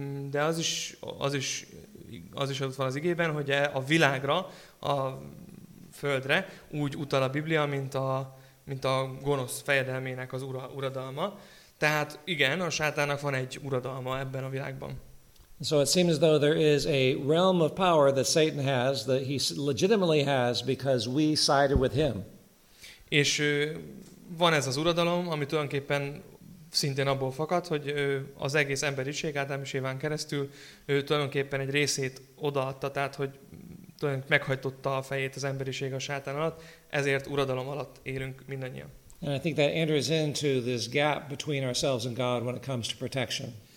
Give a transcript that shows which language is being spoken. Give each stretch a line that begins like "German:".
Hungarian: De az is adott van az igében, hogy a világra, a földre úgy utal a Biblia, mint a gonosz fejedelmének az uradalma. Tehát igen, a sátának van egy uradalma ebben a világban.
English: So it seems though there is a realm of power that Satan has, that he legitimately has because we sided with him.
Hungarian: És van ez az uradalom, ami tulajdonképpen szintén abból fakad, hogy az egész emberiség Ádám és Éván keresztül ő tulajdonképpen egy részét odaadta, tehát hogy tulajdonképpen meghajtotta a fejét az emberiség a sátán alatt, ezért uradalom alatt élünk mindannyian.
English: And I think that enters into this gap between ourselves and God when it comes to protection.